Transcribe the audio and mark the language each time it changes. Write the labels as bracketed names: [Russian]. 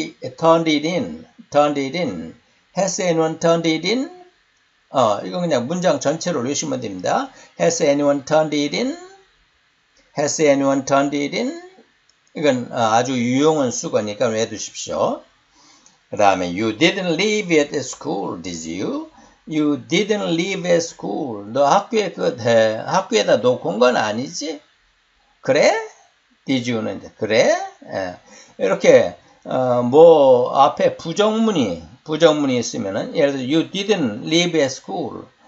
[English] Turned it in. Has anyone turned it in? [Korean] 이건 그냥 문장 전체로 외우시면 됩니다. [English] Has anyone turned it in? Has anyone turned it in? [Korean] 이건 아주 유용한 수거니까 외두십시오. 그 다음에 [English] You didn't leave at school, did you? You didn't leave at school. [Korean] 너 학교에다 놓고 온건 아니지? 그래? Did you는 이제 그래? 이렇게 뭐 앞에 부정문이 있으면은 예를 들어 [English] you didn't leave at school.